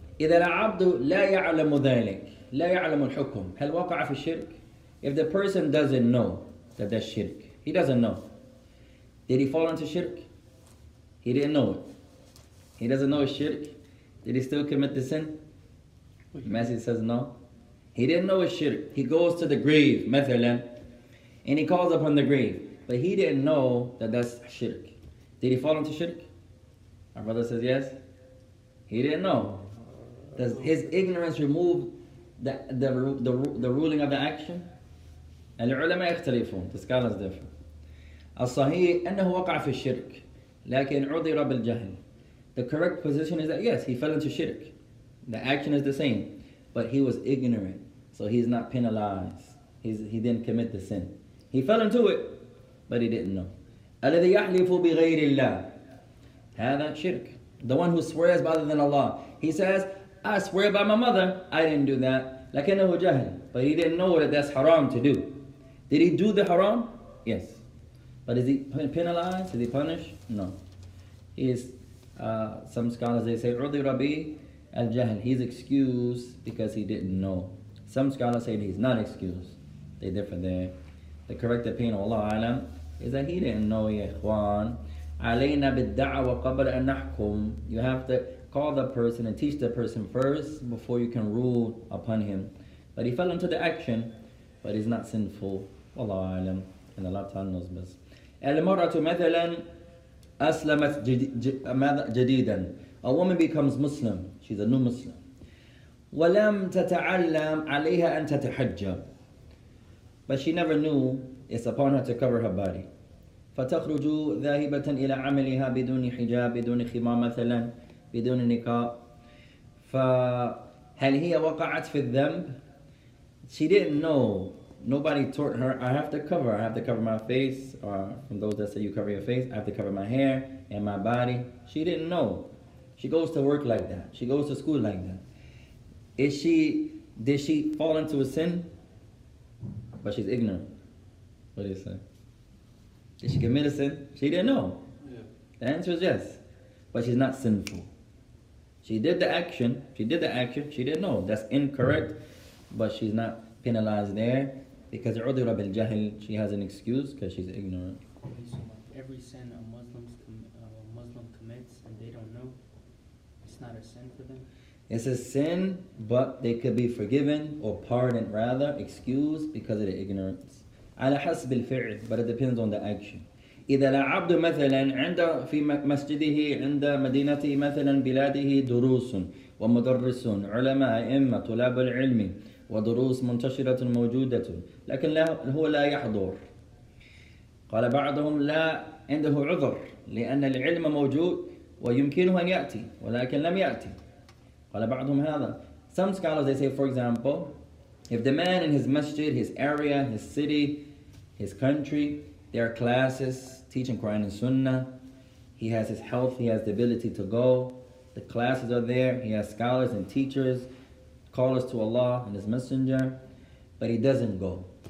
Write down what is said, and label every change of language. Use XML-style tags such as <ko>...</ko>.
<ar>إِذَا الْعَبْدُ لَا يَعْلَمُ ذَلِكَ لا يعلم الحكم هل وقع في الشرك</ar> <en>if the person doesn't know that that's shirk he doesn't know did he fall into shirk he didn't know it he doesn't know it's shirk did he still commit the sin Masih says no he didn't know it's shirk he goes to the grave مثلا and he calls upon the grave but he didn't know that that's shirk did he fall into shirk our brother says yes He didn't know. Does his ignorance remove the ruling of the action?</en> <ar>العلماء يختلفون.</ar> <en>The scholars differ.</en> <ar>الصحيح أنه وقع في الشرك لكن عذر بالجهل.</ar> <en>The correct position is that yes, he fell into shirk. The action is the same, but he was ignorant, so he's not penalized. He didn't commit the sin. He fell into it, but he didn't know.</en> <ar>الذي يحلف بغير الله هذا شرك.</ar> <en>The one who swears by other than Allah. He says, I swear by my mother, I didn't do that.</en> <ar>لكنه جهل.</ar> <en>But he didn't know that that's haram to do. Did he do the haram? Yes. But is he penalized? Is he punished? No. He is, some scholars they say,</en> <ar>عُذِ رَبِي الْجَهْلِ.</ar> <en>He's excused because he didn't know. Some scholars say he's not excused. They differ there. The correct opinion of Allah alam is that he didn't know, ya ikhwan.</en> <ar>عَلَيْنَا بِالدَّعْوَ قَبْلَ أَن نَحْكُمْ.</ar> <en>You have to call the person and teach the person first before you can rule upon him. But he fell into the action, but he's not sinful. Wallahu a'lam. And Allah Ta'ala knows best.</en> <ar>Al-mar'atu mathalan aslamat jadidan.</ar> <en>A woman becomes Muslim. She's a new Muslim.</en> <ar>وَلَمْ تَتَعَلَّمْ عَلَيْهَا أَن تَتَحَجَّبْ.</ar> <en>But she never knew it's upon her to cover her body.</en> <ar>فتخرج ذاهبة إلى عملها بدون حجاب بدون خمام مثلا بدون نقاب. فهل هي وقعت في الذنب؟</ar> <en>She didn't know. Nobody taught her. I have to cover. I have to cover my face. Or from those that say you cover your face, I have to cover my hair and my body. She didn't know. She goes to work like that. She goes to school like that. Did she fall into a sin? But she's ignorant. What do you say? Did she commit a sin? She didn't know. Yeah. The answer is yes. But she's not sinful. She did the action. She did the action. She didn't know. That's incorrect. Mm-hmm. But she's not penalized there. Because</en> <ar>عُذِرَ بِالْجَهِلِ,</ar> <en>she has an excuse because she's ignorant. Okay, so like every sin a Muslim commits and they don't know, it's not a sin for them? It's a sin, but they could be forgiven or pardoned rather, excused because of the ignorance.</en> <ar>على حسب الفعل,</ar> <en>but it depends on the action.</en> <ar>إذا لعبد مثلا عند في مسجده عند مدينته مثلا بلاده دروس ومدرسون علماء أئمة طلاب العلم ودروس منتشرة موجودة لكن هو لا يحضر. قال بعضهم لا عنده عذر لأن العلم موجود ويمكنه أن يأتي ولكن لم يأتي. قال بعضهم هذا.</ar> <en>Some scholars they say, for example, if the man in his masjid, his area, his city, his country, there are classes teaching Quran and Sunnah, he has his health, he has the ability to go, the classes are there, he has scholars and teachers, callers to Allah and his messenger, but he doesn't go.</en>